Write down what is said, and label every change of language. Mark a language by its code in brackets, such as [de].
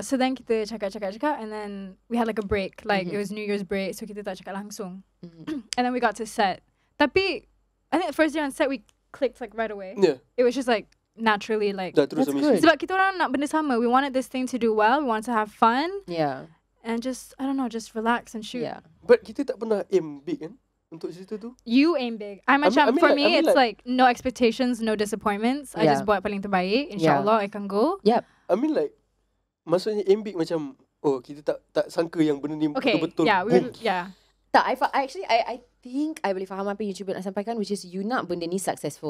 [en] So then [ms] kita cakap. [en] And then we had like a break. Like it was New Year's break. So [ms] kita tak cakap langsung. [en] And then we got to set. Tapi I think the first day on set we clicked like right away. Yeah. It was just like naturally, like that's good. [ms] Sebab kita orang nak benda sama. [en] We wanted this thing to do well. We wanted to have fun. Yeah. And just, I don't know, just relax and shoot. Yeah. [ms] But kita tak pernah aim big kan untuk cerita tu. [en] You aim big. For me, it's like no expectations, no disappointments. Yeah. I just [ms] buat paling terbaik. [en] InsyaAllah, I can go. Yep. [ms] I mean like, maksudnya aim big macam, oh kita tak sangka yang benda ni betul-betul. [en] Yeah. [ms] Tak, [en] I think [ms] I boleh faham apa yang cuba nak sampaikan, [en] which is [ms] you nak benda ni successful.